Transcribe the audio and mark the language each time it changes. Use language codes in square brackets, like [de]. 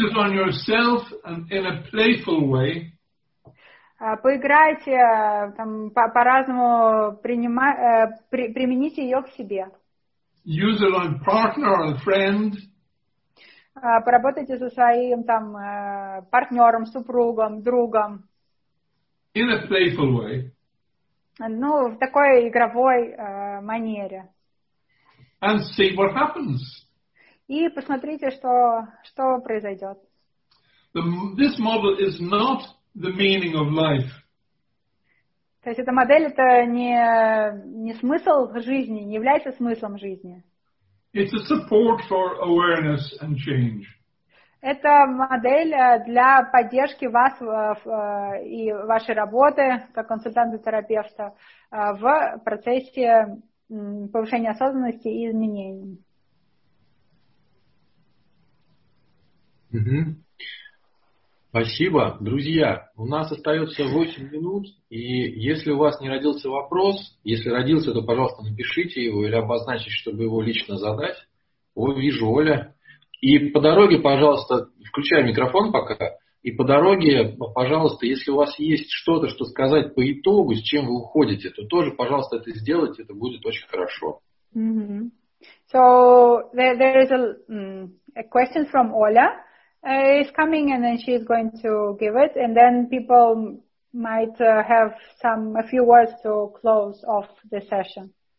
[en] Use it on yourself and in a playful way. [ru] Поиграйте, там, по-разному примените ее к себе. [en] Use it on partner or friend. [ru] Поработайте со своим там партнером, супругом, другом. [en] In a playful way. [ru] Ну, в такой игровой манере. [en] And see what happens. [ru] И посмотрите, что произойдет. [en] This model is not the meaning of life. [ru] То есть эта модель это не смысл жизни, не является смыслом жизни. [en] It's a support for awareness and change. [ru] Это модель для поддержки вас и вашей работы как консультанта-терапевта в процессе повышения осознанности и изменений. Mm-hmm. Спасибо. Друзья, у нас остается 8 минут, и если у вас не родился вопрос, если родился, то, пожалуйста, напишите его или обозначьте, чтобы его лично задать. О, вижу, Оля. И по дороге, пожалуйста, включай микрофон пока, и по дороге, пожалуйста, если у вас есть что-то, что сказать по итогу, с чем вы уходите, то тоже, пожалуйста, это сделайте, это будет очень хорошо. Mm-hmm. [en] So, there is a question from Оля. Is coming and then she's going to give it and then people might have some a few words to close off the session.